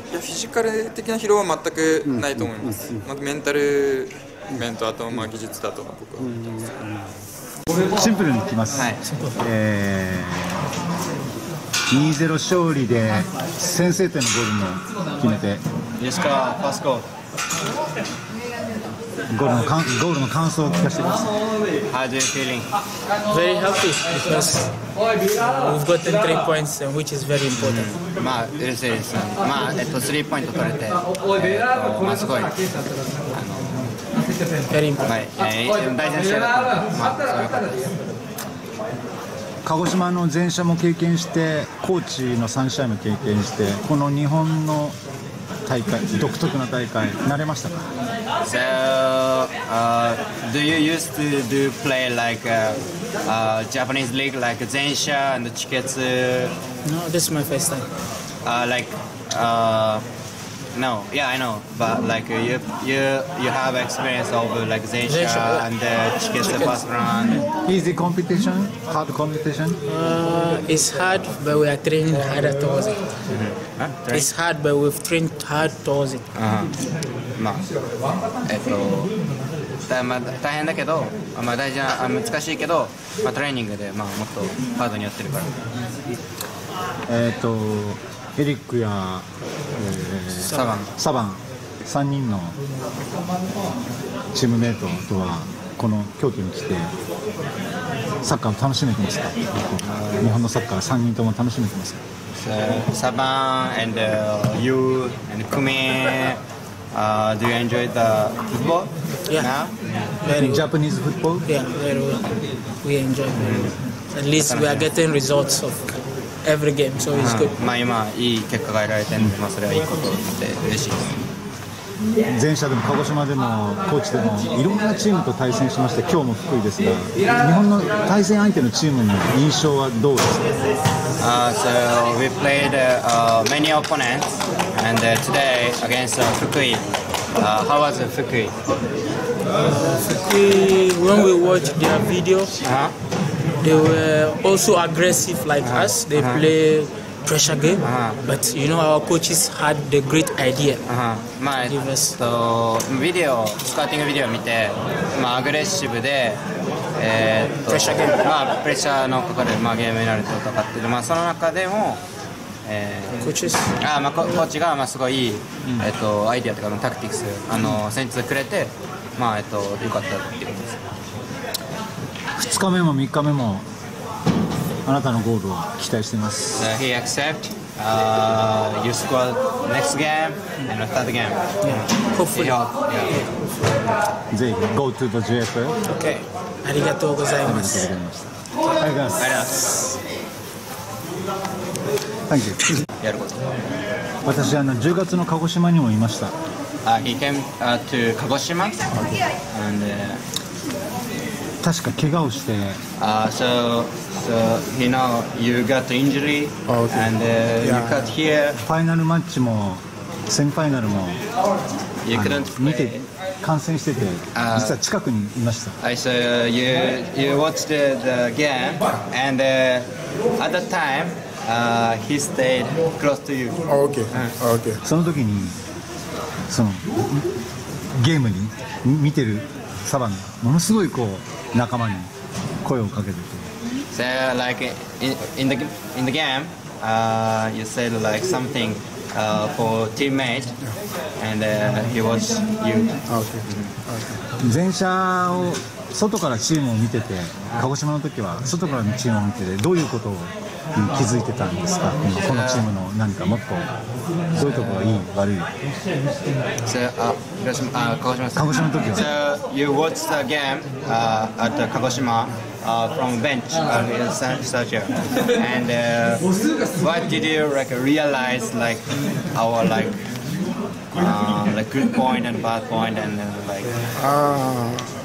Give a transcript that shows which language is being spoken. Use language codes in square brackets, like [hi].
[ja] いや、フィジカル的な疲労は全くないと思います。まあ、メンタル面とあとまあ技術だとは僕は思います。シンプルにいきます、はい、 2-0 勝利で先制点のゴールも決めて、吉川パスコゴールの感想を聞かせてください。 [en] How do you feeling? Very happy because we've gotten 3 points which is very important. [ja] まあ嬉しいです。まあ3ポイント取れて、まあすごい、 [en] Very important、 [ja] はい、大事な試合だったので、まあそういうことです。鹿児島の前哨も経験して、高知の3試合も経験して、この日本の大会、独特な大会、慣れましたか？ [en] So, do you used to do play like Japanese league like Zensha and Chiketsu? No, this is my first time. No, yeah, I know, but like you have experience of like Zensha and Chiketsu first round. Easy competition? Hard competition? It's hard, but we are training hard towards it. Mm-hmm. It's hard, but we've trained hard towards it. [ja] まあ、まあ、大変だけど、まあ、大事な、難しいけど、まあ、トレーニングで、まあ、もっとハードにやってるから。エリックや、サバン 3人のチームメートとはこの競技に来てサッカーを楽しめてますか？日本のサッカー3人とも楽しめてますか？ [en] サバン and you and Kumi do you enjoy the football? Yeah. Now? Yeah. Japanese football? Yeah, very well. We enjoy it. At least we are getting results ofEvery game, so it's good. [ja] まあ今いい結果が得られてるんで、まあそれはいいことで嬉しいです。前者でも鹿児島でも高知でもいろんなチームと対戦しまして、今日も福井ですが、日本の対戦相手のチームの印象はどうですか？ [en] So we played many opponents, and today against Fukui. How was it, Fukui? Fukui, when we watched their video. They were also aggressive like us. They play pressure game. But you know, our coaches had the great idea. [ja] まあ、ビデオ、スカーティングビデオ見て、まあ、アグレッシブで、プレッシャーゲーム。まあ、プレッシャーのかかる、まあ、ゲームになると戦ってる。まあ、その中でも、コーチが、まあ、すごいいい、アイデアというか、タクティクス、戦術をくれて、まあ、よかったっていうことです。 2日目も3日目もあなたのゴールを期待しています。 [en] He accept you score next game and third game. Hopefully. [ja] ぜひ [en] go to the JFL. Okay. [ja] ありがとうございます。ありがとうございました。ありがとうございます。 [en] Thank you. [ja] やること。私10月の鹿児島にもいました。 [en] He came to Kagoshima. And, [ja] 確か怪我をして。 [en] So he now you got injury and you got here. [ja] ファイナルマッチも、セミファイナルも、 [en] you couldn't play. [ja] 見て観戦してて、実は近くにいました。 [en] I saw you watched the game and at that time he stayed close to you. Okay. [ja] その時にそのゲームに見てるサバンがものすごいこう。仲間に声をかけてて。 [en] So like in the game, you said like something for teammate, and he was you. Okay. [ja] 前者を外からチームを見てて、鹿児島の時は外からのチームを見ててどういうことを気づいてたんですか。このチームの何かもっとどういうところがいい悪い。鹿児島の時は。 [en] So you watched the game at the Kagoshima from bench in Sanjo, and what did you like realize like our like good point and bad point and like.